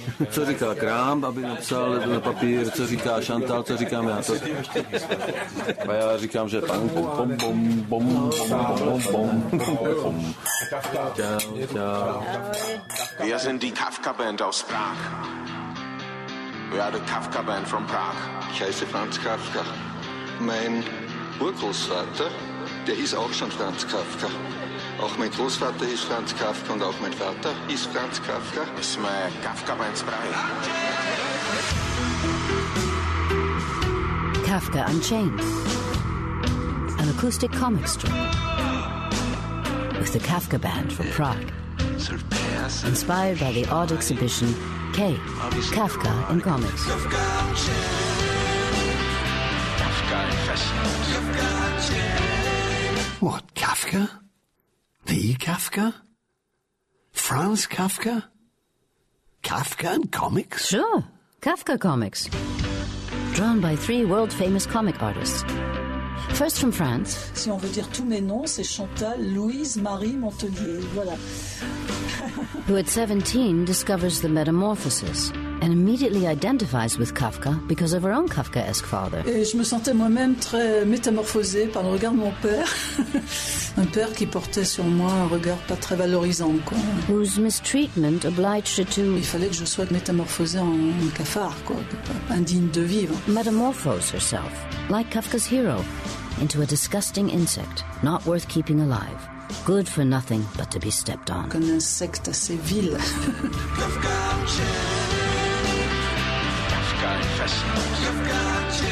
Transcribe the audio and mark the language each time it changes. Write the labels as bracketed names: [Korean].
[Czech] Co říká Kramp, aby napsal na papír, co říká Chantal, co říkám já. To... A já říkám, že pan bom, bom, bom, bom, bom, bom. Čau, čau. [German] Wir sind die Kafka Band aus Prague. [English] We are the Kafka Band from Prague. [German] Ich heiße Franz Kafka. Mein Urgroßvater, der hieß auch schon Franz Kafka. Auch mein Großvater hieß Franz Kafka und auch mein Vater hieß Franz Kafka. Das ist mein Kafka-Beinsbrei. [English] Kafka Unchained. An acoustic comic strip. With the Kafka Band from Prague. Inspired by the art exhibition K. Kafka in Comics. Kafka Unchained. Kafka in Fashion. What, Kafka? The Kafka? Franz Kafka? Kafka and comics? Sure, Kafka comics. Drawn by three world-famous comic artists. First from France. [French] Si on veut dire tous mes noms, c'est Chantal, Louise, Marie, Montelier, voilà. [English] Who at 17 discovers the metamorphosis and immediately identifies with Kafka because of her own Kafkaesque father. [French] Et je me sentais moi-même très métamorphosée par le regard de mon père, un père qui portait sur moi un regard pas très valorisant, quoi. [English] Whose mistreatment obliged her to... [French] Il fallait que je sois métamorphosée en cafard, quoi, indigne de vivre. [English] Metamorphose herself, like Kafka's hero, into a disgusting insect, not worth keeping alive. Good for nothing but to be stepped on. [French] Un insecte assez vil. [English] Kafka Unchained.